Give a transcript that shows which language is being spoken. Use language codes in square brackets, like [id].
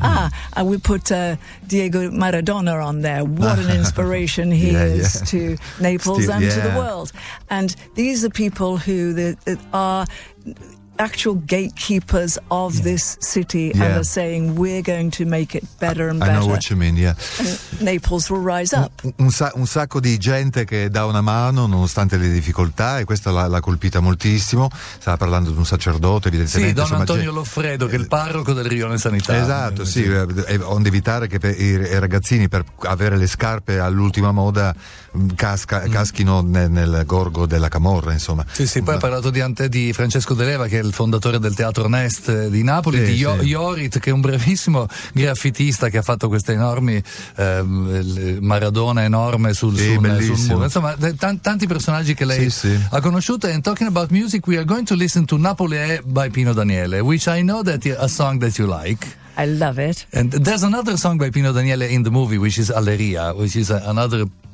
[en] Ah, and we put Diego Maradona on there. What an inspiration he is to Naples to the world. And these are people who are actual gatekeepers of this city and are saying, we're going to make it better and better. I know what you mean, yeah. And Naples will rise up. [it] Un sacco di gente che dà una mano nonostante le difficoltà, e questa l'ha colpita moltissimo. Stava parlando di un sacerdote, evidentemente. Sì, Don insomma, Antonio Loffredo, che è il parroco del Rione Sanità. Esatto, sì. Onde evitare che i ragazzini, per avere le scarpe all'ultima moda, caschino nel gorgo della camorra, insomma. Sì, sì. Poi ha parlato di Francesco De Leva, che è il fondatore del Teatro Nest di Napoli, Jorrit, che è un bravissimo graffitista che ha fatto queste enormi Maradona enorme sul muro. Insomma, tanti personaggi che lei ha conosciuto. [en] And talking about music, we are going to listen to Napoli by Pino Daniele, which I know that a song that you like. I love it. And there's another song by Pino Daniele in the movie, which is Alleria, which is another